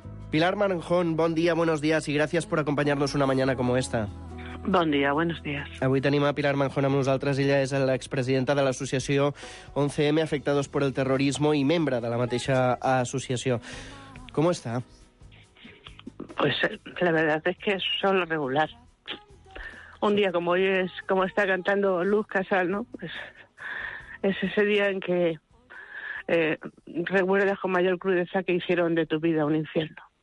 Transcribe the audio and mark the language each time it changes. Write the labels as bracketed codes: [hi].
[es] Pilar Maranjón, [ca] bon dia, [es] buenos días y gracias por acompañarnos una mañana como esta. [ca] Bon dia, [es] buenos días. [ca] Avui tenim a Pilar Maranjón amb nosaltres. Ella és l'expresidenta de l'associació 11M Afectados por el Terrorismo i membre de la mateixa associació. [es] ¿Cómo está? Pues la verdad es que es solo regular. Un día como hoy es como está cantando Luz Casal, ¿no? Pues... es ese día en que recuerdas con mayor crudeza que hicieron de tu vida un infierno.